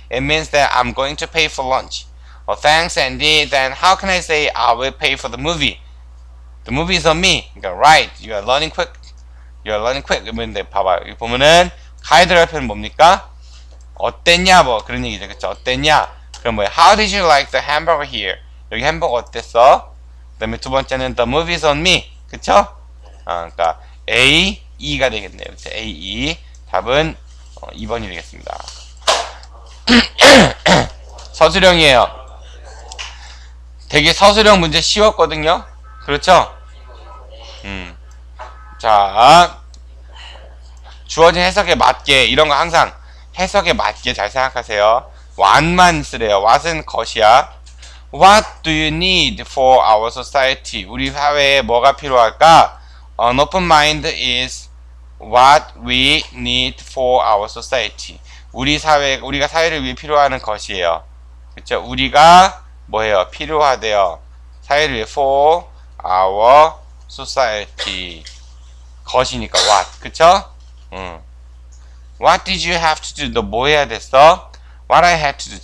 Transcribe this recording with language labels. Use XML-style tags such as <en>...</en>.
<en>It means that I'm going to pay for lunch. Well, thanks, Andy. Then how can I say I will pay for the movie? The movie is on me. Right. You are learning quick. You are learning quick.</en> <ko>이랬는데, 봐봐. 이 보면은 가이드 들어갈 표현 뭡니까? 어땠냐? 뭐 그런 얘기죠. 그쵸? 어땠냐? 그럼 뭐예요?</ko> <en>How did you like the hamburger here?</en> <ko>여기 햄버거 어땠어? 그 다음에 두 번째는</ko> <en>the movie is on me.</en> <ko>그쵸? 그러니까 A, E가 되겠네요. 그쵸? A, E. 답은 2번이 되겠습니다. 서술형이에요. 되게 서술형 문제 쉬웠거든요. 그렇죠? 자, 주어진 해석에 맞게 이런 거 항상 해석에 맞게 잘 생각하세요.</ko> <en>What만 쓰래요. What은 것이야. What do you need for our society?</en> <ko>우리 사회에 뭐가 필요할까?</ko> <en>An open mind is what we need for our society.</en> <ko>우리 사회, 우리가 사회를 위해 필요하는 것이에요. 그렇죠? 우리가 뭐예요? 필요하대요. 사회를 위해</ko> <en>for our society.</en> <ko>것이니까 what. 그렇죠?</ko> <en>What did you have to do?</en> <ko>너 뭐 해야 됐어?</ko> <en>What I had to do.</en>